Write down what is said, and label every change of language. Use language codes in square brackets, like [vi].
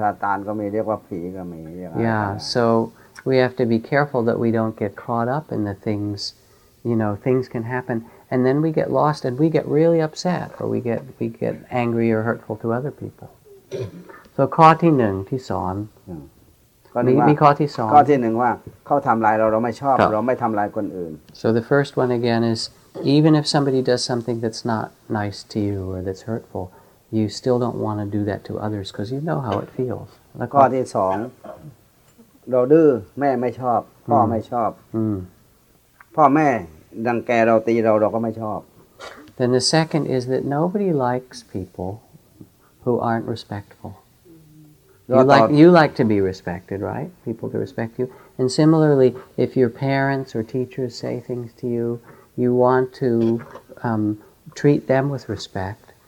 [th] มันหลอกให้เราทะเลาะกันวิญญาณร้ายที่มันเข้าคนได้มันหลอกให้เราทะเลาะกันอืมวิญญาณที่ร้ายๆที่ตายไปเยอะๆอืมเรียกซาตานก็มีเรียกว่าผีก็มีเรียกว่า [en] Yeah, so we have to be careful that we don't get caught up in the things, you know, things can happen and then we get lost and we get really upset or we get angry or hurtful to other people. [th] So ข้อที่1 ที่สอน ข้อที่หนึ่งว่าเขาทำลายเราเราไม่ชอบเราไม่ทำลายคนอื่น [en] So the first one again is even if somebody does something that's not nice to you or that's hurtful, you still don't want to do that to others because you know how it feels. [th] ข้อที่สองเราดื้อแม่ไม่ชอบพ่อไม่ชอบพ่อแม่ดังแกเราตีเราเราก็ไม่ชอบ [en] Then the second is that nobody likes people who aren't respectful. You like to be respected, right? People to respect you. And similarly, if your parents or teachers say things to you, you want to treat them with respect.